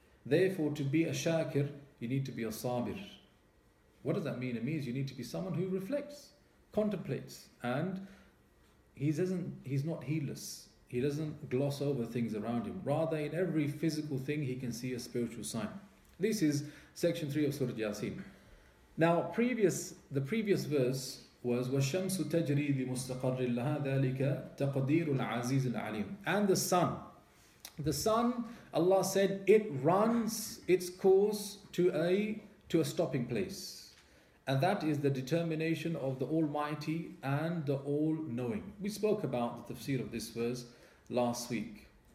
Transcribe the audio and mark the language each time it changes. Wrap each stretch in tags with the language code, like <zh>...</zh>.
<en>Therefore, to be a shakir, you need to be a sabir. What does that mean? It means you need to be someone who reflects, contemplates, and he's not heedless. He doesn't gloss over things around him. Rather, in every physical thing, he can see a spiritual sign. This is section 3 of Surah Yasin. Now, the previous verse was</en> <ar>وَالشَّمْسُ تَجْرِي لِمُسْتَقَرِّ لَهَا ذَلِكَ تَقَدِيرُ الْعَزِيزِ الْعَلِيمِ.</ar> <en>And the sun, Allah said, it runs its course to a stopping place. And that is the determination of the Almighty and the All-Knowing. We spoke about the tafsir of this verse last week.</en>